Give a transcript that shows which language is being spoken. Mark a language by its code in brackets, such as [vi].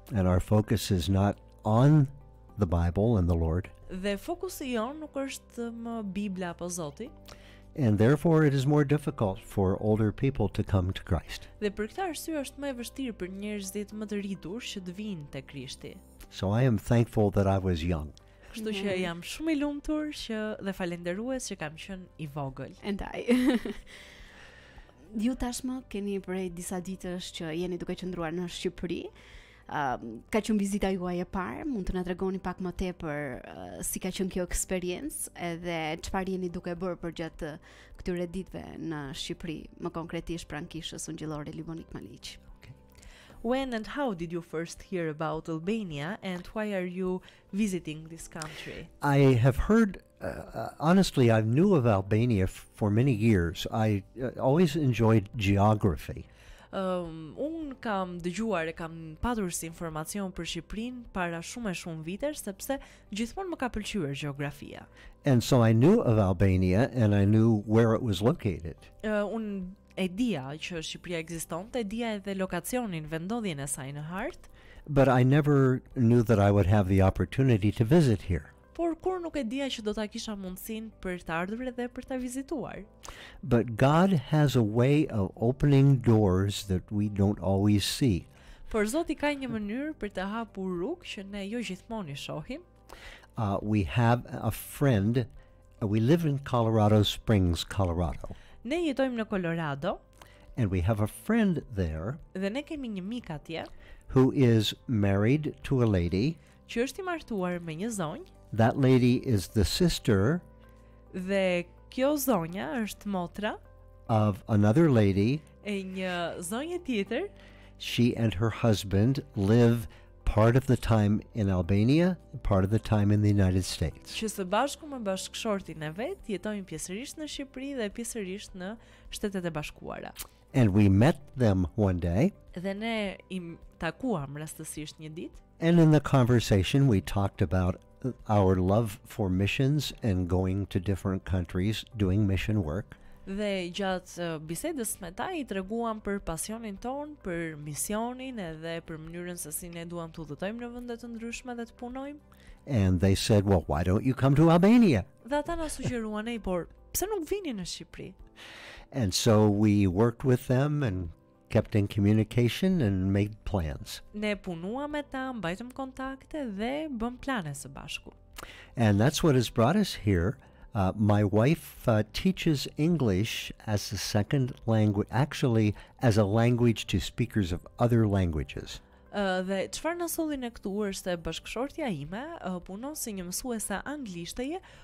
[en] And our focus is not on the Bible and the Lord. [sq] Dhe fokusi jon nuk është më Bibla apo Zoti. [en] And therefore it is more difficult for older people to come to Christ. [sq] Dhe për këtë arsye është më e vështirë për njerëzit më të rritur që të vinë te Krishti. [en] So I am thankful that I was young. [sq] Kështu që jam shumë i lumtur që dhe falënderues që kam qenë i vogël. [en] And I. [sq] Ju tashmë keni prej disa ditësh që jeni duke qëndruar në Shqipëri. Ka qenë vizita juaj e parë, mund të na tregoni pak më tepër si ka qenë kjo eksperiencë edhe çfarë jeni duke bërë përgjatë këtyre ditëve në Shqipëri, më konkretisht pranë kishës ungjillore Livonik Maliq. [en] Okay. When and how did you first hear about Albania and why are you visiting this country? I have heard honestly I knew of Albania for many years. I always enjoyed geography. [sq] Un kam dëgjuar e kam patur si informacion për Shqipërinë para shumë e shumë vitesh sepse gjithmonë më ka pëlqyer gjeografia. [en] And so I knew of Albania and I knew where it was located. [sq] Un e dija që Shqipëria ekzistonte, e dija edhe lokacionin, vendodhjen e saj në hartë. [en] But I never knew that I would have the opportunity to visit here. [sq] Por kur nuk e dija që do ta kisha mundësinë për të ardhur edhe për ta vizituar. [en] But God has a way of opening doors that we don't always see. [sq] Por Zoti ka një mënyrë për të hapur rrugë që ne jo gjithmonë shohim. [en] We have a friend. We live in Colorado Springs, Colorado. [sq] Ne jetojmë në Colorado. [en] And we have a friend there. [sq] Dhe ne kemi një mik atje. [en] Who is married to a lady? [sq] Që është i martuar me një zonjë. [en] That lady is the sister. [sq] Dhe kjo zonja është motra. [en] Of another lady. [sq] E një zonje tjetër. [en] She and her husband live part of the time in Albania, part of the time in the United States. [sq] Që së bashku me bashkëshortin e vet jetojnë pjesërisht në Shqipëri dhe pjesërisht në Shtetet e Bashkuara. [en] And we met them one day. [sq] Dhe ne i takuam rastësisht një ditë. [en] And in the conversation we talked about our love for missions and going to different countries doing mission work. [sq] Dhe gjatë bisedës me ta i treguam për pasionin ton, për misionin edhe për mënyrën se si ne duam të udhëtojmë në vende të ndryshme dhe të punojmë. [en] And they said, "Well, why don't you come to Albania?" [sq] Dhe ata na sugjeruan, "Ej, por pse nuk vini në Shqipëri?" [en] And so we worked with them and kept in communication and made plans. [sq] Ne punuam me ta, mbajtëm kontakte dhe bëm plane së bashku. [en] And that's what has brought us here. My wife teaches English as a second language, actually as a language to speakers of other languages. [sq] Dhe çfarë na solli ne këtu është bashkëshortja ime punon si një mësuese anglishteje.